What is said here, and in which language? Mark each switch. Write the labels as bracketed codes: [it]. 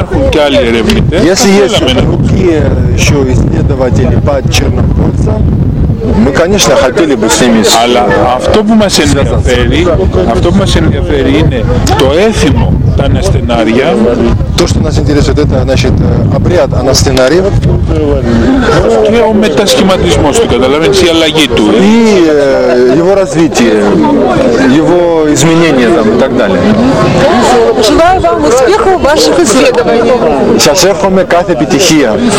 [ru] Если есть другие еще исследователи по чернопольцам, мы, конечно, хотели бы с ними связаться. То, что нас интересует, это значит обряд анастенария. [el] Και ο μετασχηματισμός του, καταλαβαίνεις, η αλλαγή του. [ru] И его развитие, его изменения там и так далее. Желаю вам успехов в ваших исследованиях. [el] Сейчас эхоме кафе петихия.